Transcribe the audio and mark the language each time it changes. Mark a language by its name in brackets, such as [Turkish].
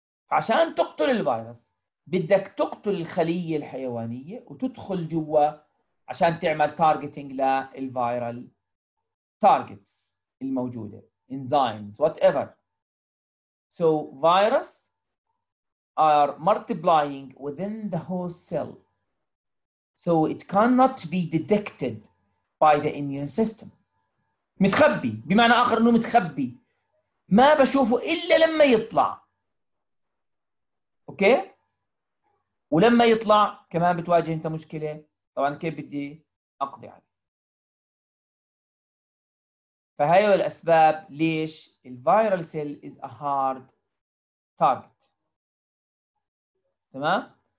[Arabic] عشان تقتل الفيروس بدك تقتل الخلية الحيوانية وتدخل جوا عشان تعمل targeting للفيرال targets الموجودة enzymes whatever. [English] So virus are multiplying within the host cell, so it cannot be detected by the immune system. [Arabic] متخبي، بمعنى آخر إنه متخبي، ما بشوفه إلا لما يطلع، أوكي؟ ولما يطلع كمان بتواجه أنت مشكلة. طبعاً كيف بدي أقضي عليه؟ فهاي الأسباب ليش الفيرال سيل [English] is a hard target. [Arabic] تمام.